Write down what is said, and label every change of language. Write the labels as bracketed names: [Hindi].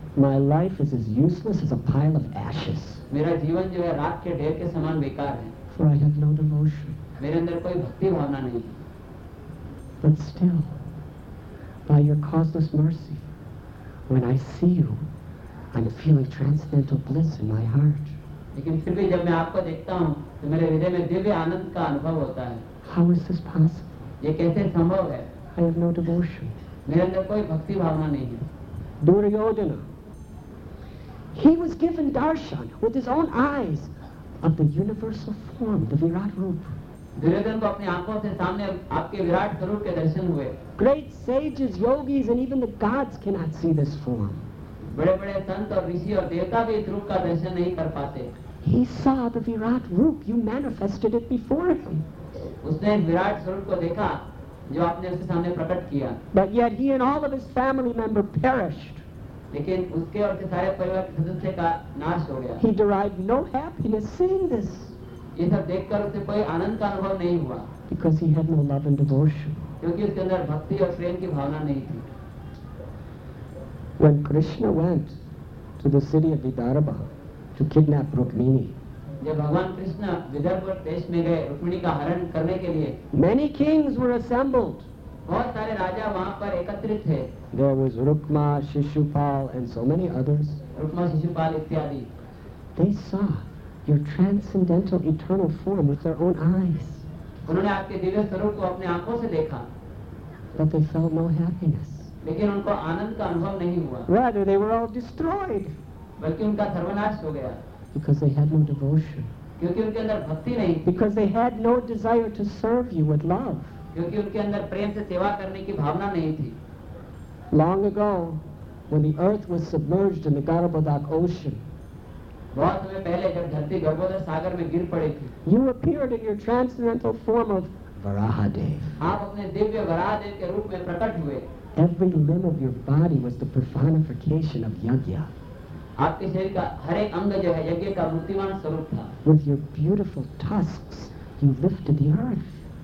[English] My life is as useless as a pile of ashes. [Hindi] मेरा जीवन जो है राख के ढेर के समान बेकार है. [English] For I have no devotion. [Hindi] मेरे अंदर कोई भक्ति भावना नहीं. [English] But still, by your causeless mercy, when I see you, I'm feeling transcendental bliss in my heart. [Hindi] लेकिन फिर भी जब मैं आपको देखता हूँ तो मेरे हृदय में दिव्य आनंद का अनुभव होता है. [English] How is this possible? [Hindi] ये कैसे संभव है? [English] I have no devotion. [Hindi] मेरे अंदर कोई भक्ति भावना नहीं है. [English] Duryodhana. He was given darshan with his own eyes of the universal form, the Virat Roop. [Hindi] Duryodhan को अपनी आंखों से सामने आपके विराट स्वरूप के दर्शन हुए. [English] Great sages, yogis, and even the gods cannot see this form. [Hindi] बड़े बड़े संत और ऋषि और देवता भी इस रूप का दर्शन नहीं कर पाते. [English] He saw the Virat Roop. You manifested it before him. [Hindi] उसने विराट स्वरूप को देखा जो आपने उसके सामने प्रकट किया. [English] But yet he and all of his family member perished. [Hindi] लेकिन उसके और उसके सारे परिवार के सदस्य का नाश हो गया. [English] He derived no happiness seeing this. [Hindi] ये सब देखकर उसे कोई आनंद का अनुभव नहीं हुआ. [English] Because he had no love and devotion. [Hindi] क्योंकि उसके अंदर भक्ति और प्रेम की भावना नहीं थी. [English] When Krishna went to the city of Vidarbha to kidnap Rukmini, [Hindi] जब भगवान कृष्ण विदर्भ देश में गए रुक्मिणी का हरण करने के लिए, [English] many kings were assembled. [Hindi] बहुत सारे राजा वहाँ पर एकत्रित थे. [English] There was Rukma, Shishupal, and so many others. [Hindi] Rukma, Shishupal इत्यादि. [English] They saw your transcendental eternal form with their own eyes. [Hindi] उन्होंने आपके दिव्य स्वरूप को अपने आँखों से देखा. [English] But they felt no happiness. [Hindi] लेकिन उनको आनंद का अनुभव नहीं हुआ. [English] Rather, they were all destroyed. [Hindi] बल्कि उनका सर्वनाश हो गया. [English] Because they had no devotion. [Hindi] क्योंकि उनके अंदर भक्ति नहीं. [English] Because they had no desire to serve you with love. [Hindi] क्योंकि उनके अंदर प्रेम से सेवा करने की भावना नहीं थी. [English] Long ago, when the earth was submerged in the Garbhodak ocean. [Hindi] बहुत समय पहले जब धरती गर्भोदर सागर में गिर पड़ी थी. [English] You appeared in your transcendental form of Varahadev. [Hindi] आप अपने दिव्य वराहदेव के रूप में प्रकट हुए. [English] Every limb of your body was the personification of yajna. [Hindi] आपके शरीर का हर एक अंग जो है यज्ञ का मूर्तिमान स्वरूप था. [English] With your beautiful tusks, you lifted the earth.